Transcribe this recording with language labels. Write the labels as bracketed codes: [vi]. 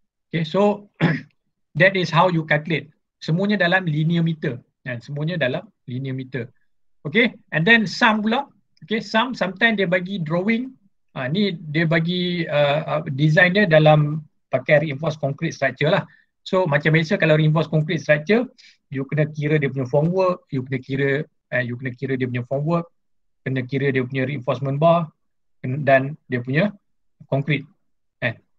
[en] Okay, so that is how you calculate. [ms] Semuanya dalam linear meter, kan? Semuanya dalam linear meter. [en] Okay, and then sum pula. Okay, sometimes [ms] dia bagi [en] drawing. [ms] Ni dia bagi design dia dalam pakai reinforced concrete structure lah. So macam biasa kalau reinforced concrete structure, you kena kira dia punya formwork, you kena kira dia punya formwork, kena kira dia punya reinforcement bar dan dia punya concrete, kan?